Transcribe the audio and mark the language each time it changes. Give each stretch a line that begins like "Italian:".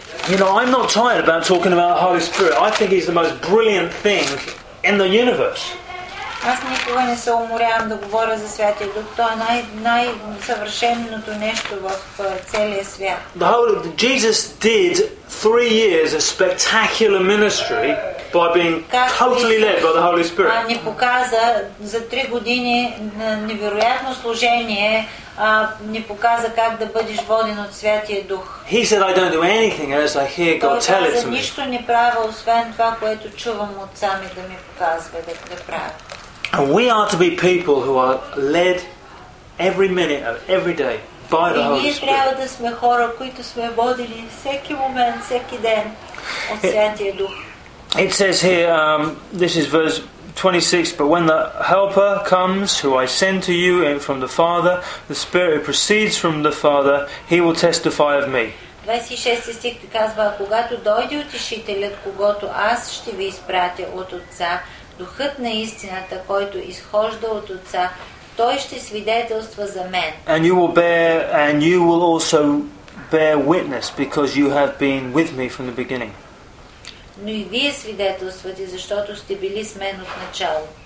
English: You know, I'm not tired about talking about the Holy Spirit. I think he's the most brilliant thing in the universe.
Bulgarian: Аз никога не се уморявам да говоря за Святия Дух. Той е най-съвършеното нещо в целия свят.
English: The Holy Jesus did 3 years of spectacular ministry by being totally led by the Holy Spirit.
Bulgarian: Ни показа за 3 години невероятно служение. Не показа как да бъдеш воден от Святия Дух.
English: He said, I don't do anything unless I hear God tell it to me.
Bulgarian: Нищо не правя освен това, което чувам от сами да ми показва да правя.
English: And we are to be people who are led every minute of every day by the Holy Spirit.
Bulgarian: И ние трябва да сме хора, които сме водени всеки момент, всеки ден от Святия Дух.
English: It says here, this is verse 26, but when the Helper comes, who I send to you and from the Father, the Spirit who proceeds from the Father, he will testify of me.
Bulgarian: 26 стих казва, когато дойде утешителят, когото аз ще ви изпратя от Отца, духът на истината, който изхожда от Отца, той ще свидетелства за мен.
English: And you will also bear witness, because you have been with me from the beginning.
Bulgarian: Но и вие свидетелствате, защото сте били с мен от начало.